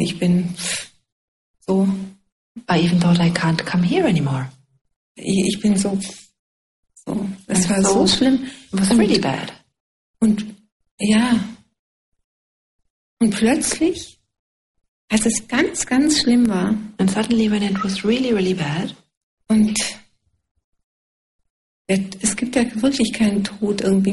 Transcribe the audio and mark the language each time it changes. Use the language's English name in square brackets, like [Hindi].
[German] Ich bin so. [English] I even thought I can't come here anymore. [German] Ich bin so So, das war so schlimm. [English] It was really bad. [German] Und ja. Und plötzlich, als es ganz, ganz schlimm war. [English] And suddenly when it was really, really bad. [German] Und es gibt ja wirklich keinen Tod irgendwie.